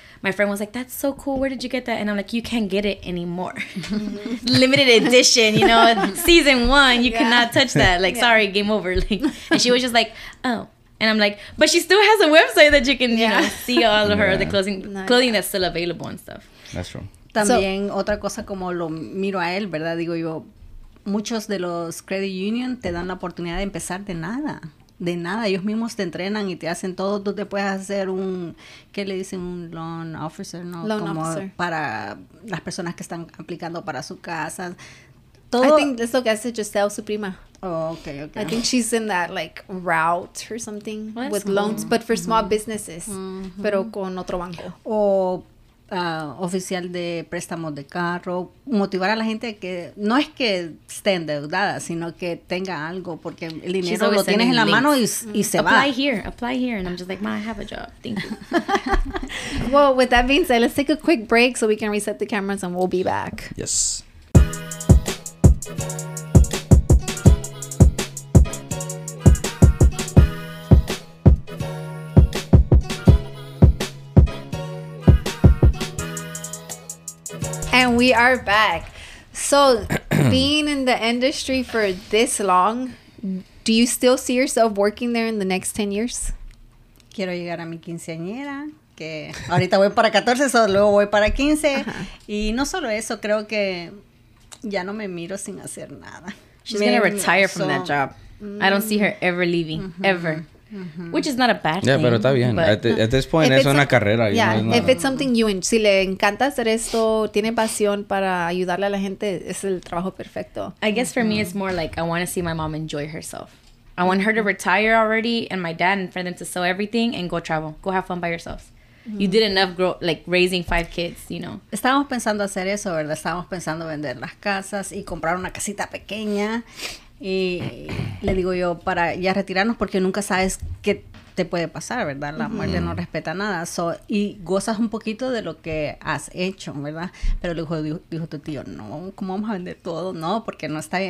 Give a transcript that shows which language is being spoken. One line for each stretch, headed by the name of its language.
English: My friend was like, that's so cool. Where did you get that? And I'm like, you can't get it anymore. Limited edition, you know, season one, you cannot touch that. Like, sorry, game over. Like, and she was just like, oh. And I'm like, but she still has a website that you can, you know, see all of her, the clothing that's still available and stuff. That's true.
Spanish: También, otra cosa como lo miro a él, ¿verdad? Digo yo, muchos de los credit union te dan la oportunidad de empezar de nada. Ellos mismos te entrenan y te hacen todo. Tú te puedes hacer un, ¿qué le dicen? Un loan officer, ¿no? Para las personas que están aplicando para su casa.
English: Todo. I think that's what
Spanish: hace
English: Giselle,
Spanish: su prima.
English: Oh, okay. I think she's in that, like, route or something with loans, but for small businesses,
Spanish: pero con otro banco. O oficial de préstamos de carro, motivar a la gente que no es que esté endeudada, sino que tenga algo, porque el dinero lo tienes en la mano y se va.
English: Apply here, and I'm just like, ma, I have a job. Thank you. Well, with that being said, let's take a quick break so we can reset the cameras and we'll be back. Yes. And we are back. So, being in the industry for this long, do you still see yourself working there in the next 10 years?
Spanish: Quiero llegar a mi quinceañera, que ahorita voy para 14, luego voy para 15. Uh-huh. Y no solo eso, creo que ya no me miro sin hacer nada.
English: She's going to retire from that job. Mm-hmm. I don't see her ever leaving, ever. Mm-hmm. Which is not a bad thing. Yeah,
Spanish: pero está bien.
English: At this point,
Spanish: es una carrera.
English: Yeah, you know, it's something you enjoy.
Spanish: Si le encanta hacer esto, tiene pasión para ayudarle a la gente, es el trabajo perfecto.
English: I guess for me, it's more like I want to see my mom enjoy herself. I want her to retire already, and my dad, and for them to sell everything and go travel. Go have fun by yourselves. You did enough grow, like raising five kids, you know.
Spanish: Estábamos pensando hacer eso, ¿verdad? Estábamos pensando vender las casas y comprar una casita pequeña. Y le digo yo, para ya retirarnos, porque nunca sabes qué te puede pasar, ¿verdad? La muerte no respeta nada. So, y gozas un poquito de lo que has hecho, ¿verdad? Pero le dijo tu tío, no, ¿cómo vamos a vender todo? No, porque no está bien.